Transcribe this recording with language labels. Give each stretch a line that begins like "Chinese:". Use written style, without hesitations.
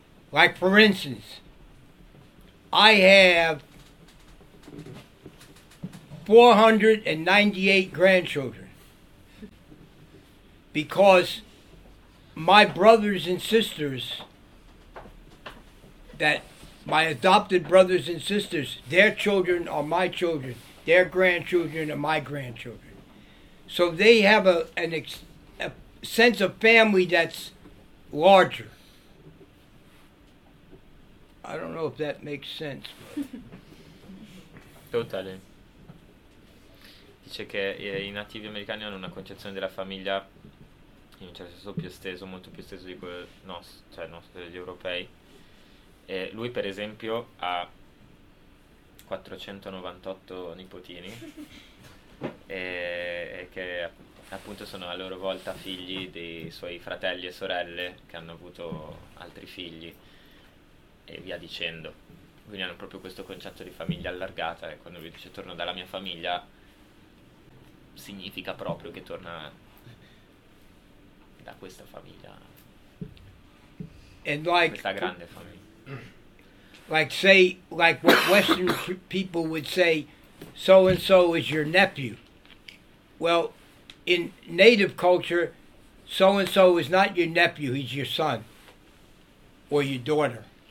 English: Like, for instance, I have 498 grandchildren because my brothers and sisters, that my adopted brothers and sisters, their children are my children, their grandchildren are my grandchildren. So they have a sense of family that's larger. I don't know if that makes sense, but...
Italian: Totale. Dice che i nativi americani hanno una concezione della famiglia in un certo senso più esteso, molto più esteso di quello nostro, degli europei. E lui, per esempio, ha 498 nipotini, e che appunto sono a loro volta figli dei suoi fratelli e sorelle che hanno avuto altri figli, e via dicendo. Quindi hanno proprio questo concetto di famiglia allargata, e quando lui dice torno dalla mia famiglia significa proprio che torna da questa famiglia.
English: And like,
Italian: questa grande famiglia.
English: Like say, like what Western people would say, so and so is your nephew. Well, in native culture, so and so is not your nephew, he's your son or your daughter.